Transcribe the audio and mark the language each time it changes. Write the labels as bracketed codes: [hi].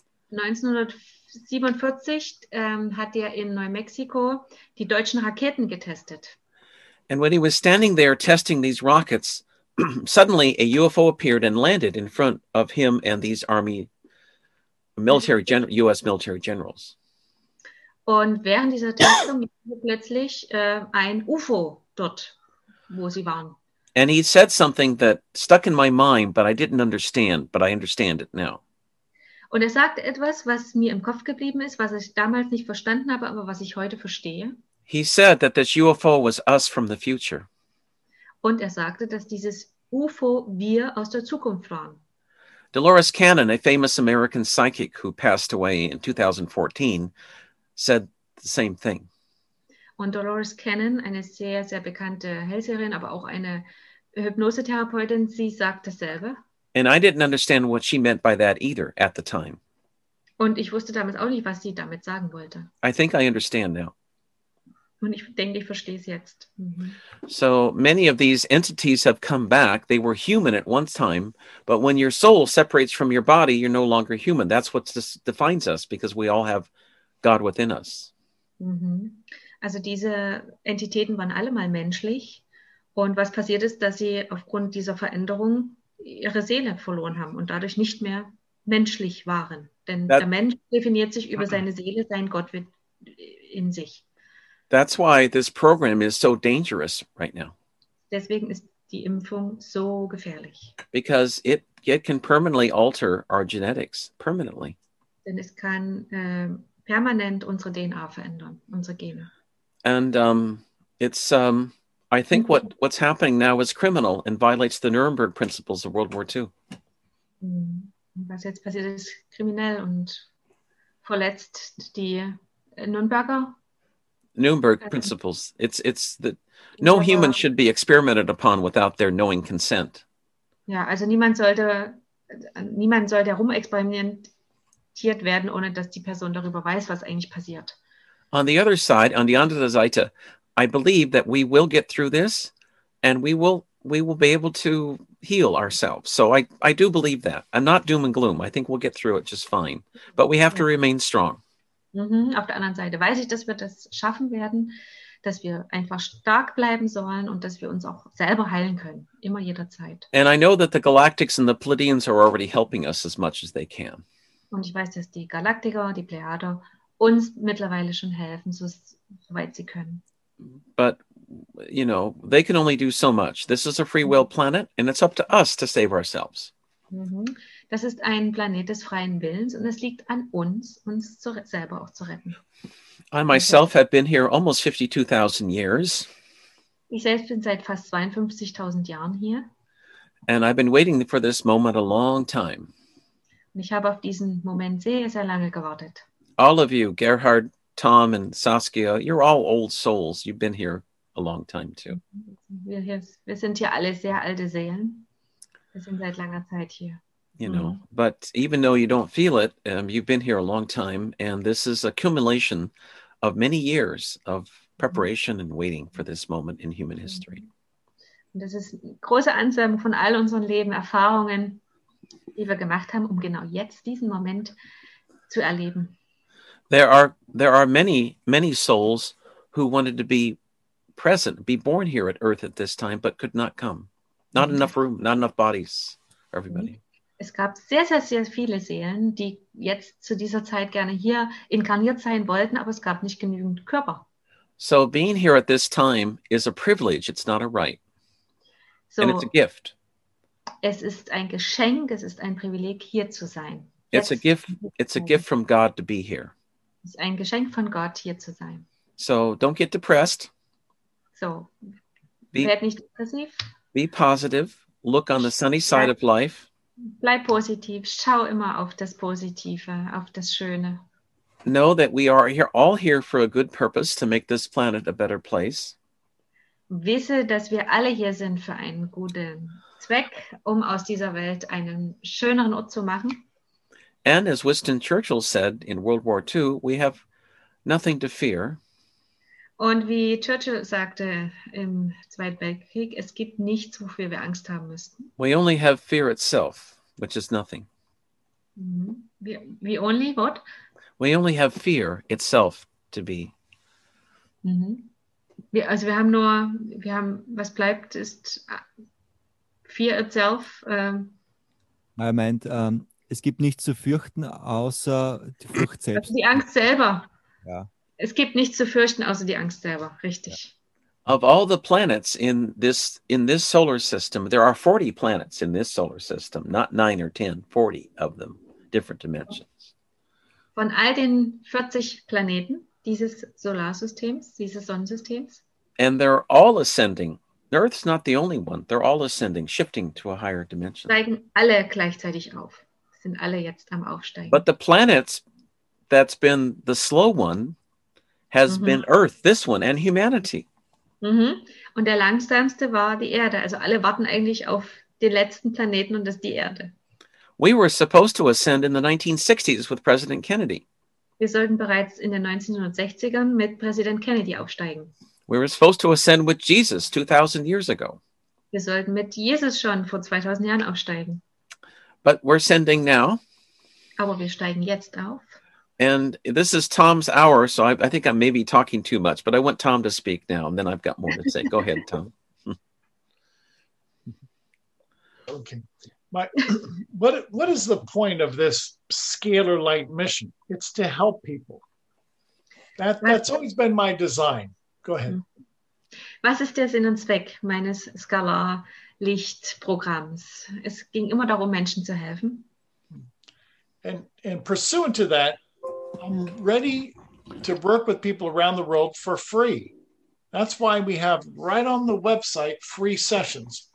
[de] 1947 hat er in New Mexico die deutschen Raketen getestet. [en] And when he was standing there testing these rockets, suddenly a UFO appeared and landed in front of him and these U.S. military generals. [de] Und während dieser Testung war plötzlich ein UFO dort, wo sie waren. [en] And he said something that stuck in my mind, but I didn't understand, but I understand it now. [de] Und er sagte etwas, was mir im Kopf geblieben ist, was ich damals nicht verstanden habe, aber was ich heute verstehe. [en] He said that this UFO was us from the future. [de] Und er sagte, dass dieses UFO wir aus der Zukunft waren. [en] Dolores Cannon, a famous American psychic who passed away in 2014, said the same thing. [de] Und Dolores Cannon, eine sehr, sehr bekannte Hellseherin, aber auch eine Hypnosetherapeutin, sie sagt dasselbe. [en] And I didn't understand what she meant by that either at the time. [de] Und ich wusste damals auch nicht, was sie damit sagen wollte. [en] I think I understand now. [de] Und ich denke, ich verstehe es jetzt. [en] So many of these entities have come back. They were human at one time. But when your soul separates from your body, you're no longer human. That's what defines us, because we all have God within us. [de] Also diese Entitäten waren alle mal menschlich. Und was passiert ist, dass sie aufgrund dieser Veränderung ihre Seele verloren haben und dadurch nicht mehr menschlich waren. Denn der Mensch definiert sich über seine Seele, sein Gott in sich. [en] That's why this program is so dangerous right now. [de] Deswegen ist die Impfung so gefährlich. [en] Because it can permanently alter our genetics, permanently. [de] Denn es kann permanent unsere DNA verändern, unsere Gene. [en] And I think what's happening now is criminal and violates the Nuremberg principles of World War II. [de] Was jetzt passiert ist kriminell und verletzt die Nuremberg [en] principles. It's that no human should be experimented upon without their knowing consent. [de] Ja, also niemand sollte herumexperimentiert werden, ohne dass die Person darüber weiß, was eigentlich passiert. [en] On the other side, on the [de] andere Seite, [en] I believe that we will get through this and we will be able to heal ourselves. So I do believe that. I'm not doom and gloom. I think we'll get through it just fine. But we have to remain strong. [de] Auf der anderen Seite weiß ich, dass wir das schaffen werden, dass wir einfach stark bleiben sollen und dass wir uns auch selber heilen können, immer jederzeit. [en] And I know that the Galactics and the Pleiadians are already helping us as much as they can. [de] Und ich weiß, dass die Galaktiker, die Plejader uns mittlerweile schon helfen, soweit sie können. [en] But, you know, they can only do so much. This is a free will planet and it's up to us to save ourselves. [de] Das ist ein Planet des freien Willens und es liegt an uns, uns selber auch zu retten. [en] I myself have been here almost 52,000 years. [de] Ich selbst bin seit fast 52,000 Jahren hier. [en] And I've been waiting for this moment a long time. [de] Ich habe auf diesen Moment sehr, sehr lange gewartet. [en] All of you, Gerhard, Tom and Saskia, you're all old souls. You've been here a long time too. [de] Wir sind hier alle sehr alte Seelen. Wir sind seit langer Zeit hier. [en] You know, but even though you don't feel it, you've been here a long time, and this is accumulation of many years of preparation and waiting for this moment in human history. [de] Und das ist eine große Ansammlung von all unseren Leben, Erfahrungen, die wir gemacht haben, um genau jetzt diesen Moment zu erleben. [en] There are many, many souls who wanted to be present, be born here at Earth at this time, but could not come. Not enough room, not enough bodies, everybody. [de] Es gab sehr, sehr, sehr viele Seelen, die jetzt zu dieser Zeit gerne hier inkarniert sein wollten, aber es gab nicht genügend Körper. [en] So being here at this time is a privilege, it's not a right. So, and it's a gift. [de] Es ist ein Geschenk, es ist ein Privileg, hier zu sein. [en] It's a gift from God to be here. [de] Es ist ein Geschenk von Gott, hier zu sein. [en] So don't get depressed. [de] So, werd nicht depressiv. [en] Be positive, look on the sunny side of life. [de] Bleib positiv, schau immer auf das Positive, auf das Schöne. [en] Know that we are here, all here for a good purpose, to make this planet a better place. [de] Wisse, dass wir alle hier sind für einen guten Zweck, um aus dieser Welt einen schöneren Ort zu machen. [en] And as Winston Churchill said in World War II, we have nothing to fear. [de] Und wie Churchill sagte im Zweiten Weltkrieg, es gibt nichts, wofür wir Angst haben müssten. [en] We only have fear itself, which is nothing. We only what? We only have fear itself to be. [de] Also wir haben, was bleibt, ist [en] fear itself. I meant, [de] es gibt nichts zu fürchten, außer die Furcht selbst. Also die Angst selber. Ja. Es gibt nichts zu fürchten, außer die Angst selber. Richtig. [en] Of all the planets in this solar system, there are 40 planets in this solar system, not 9 or 10, 40 of them, different dimensions. [de] Von all den 40 Planeten dieses Solarsystems, dieses Sonnensystems. [en] And they're all ascending. Earth's not the only one. They're all ascending, shifting to a higher dimension. [de] Steigen alle gleichzeitig auf. Sind alle jetzt am Aufsteigen. [en] But the planets that's been the slow one has been Earth, this one, and humanity. [de] Mm-hmm. Und der langsamste war die Erde. Also alle warten eigentlich auf den letzten Planeten und das ist die Erde. [en] We were supposed to ascend in the 1960s with President Kennedy. [de] Wir sollten bereits in den 1960ern mit Präsident Kennedy aufsteigen. [en] We were supposed to ascend with Jesus 2000 years ago. [de] Wir sollten mit Jesus schon vor 2000 Jahren aufsteigen. [en] But we're ascending now. [de] Aber wir steigen jetzt auf. [en] And this is Tom's hour, so I think I'm maybe talking too much, but I want Tom to speak now, and then I've got more to say. Go ahead, Tom. Okay. What is the point of this scalar light mission? It's to help people. That's always been my design. Go ahead. [de] Was ist der Sinn und Zweck meines Skalarlichtprogramms? Es ging immer darum, Menschen zu helfen. [en] And pursuant to that, I'm ready to work with people around the world for free. That's why we have right on the website free sessions.